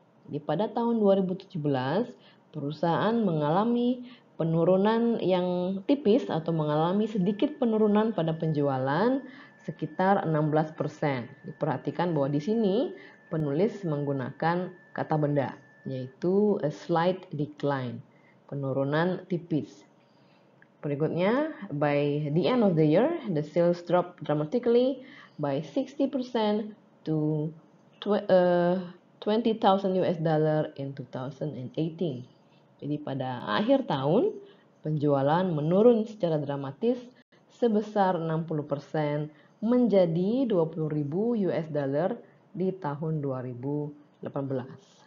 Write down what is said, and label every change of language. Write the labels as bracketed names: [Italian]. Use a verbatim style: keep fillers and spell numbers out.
[Indonesian] Di pada tahun dua ribu tujuh belas, perusahaan mengalami penurunan yang tipis atau mengalami sedikit penurunan pada penjualan sekitar enam belas persen. Diperhatikan bahwa di sini penulis menggunakan kata benda, yaitu [English] a slight decline, [Indonesian] penurunan tipis. [English] Berikutnya, by the end of the year, the sales dropped dramatically by sixty percent to tw- uh, twenty thousand U S dollar in two thousand eighteen. [Indonesian] Jadi pada akhir tahun, penjualan menurun secara dramatis sebesar enam puluh persen menjadi dua puluh ribu U S dollar di tahun dua ribu delapan belas.